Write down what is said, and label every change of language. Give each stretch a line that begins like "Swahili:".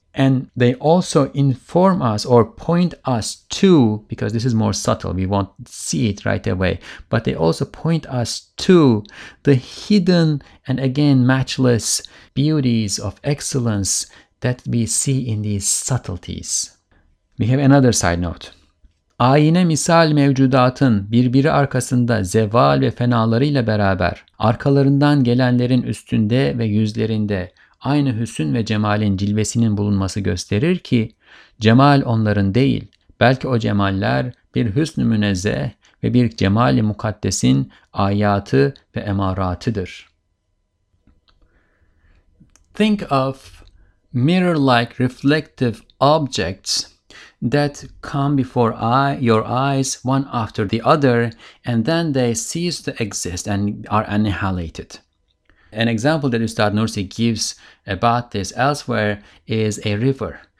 English: And they also inform us or point us to, because this is more subtle, we won't see it right away, but they also point us to the hidden and again matchless beauties of excellence that we see in these subtleties. We have another side note.
Turkish: Ayine misal mevcudatın birbiri arkasında zeval ve fenalarıyla beraber arkalarından gelenlerin üstünde ve yüzlerinde aynı hüsn ve cemalin cilvesinin bulunması gösterir ki, cemal onların değil, belki o cemaller bir hüsn-ü münezzeh ve bir cemal-i mukaddesin ayatı ve emaratıdır.
English: Think of mirror-like reflective objects that come before your eyes one after the other, and then they cease to exist and are annihilated. An example that Ustad Nursi gives about this elsewhere is a river.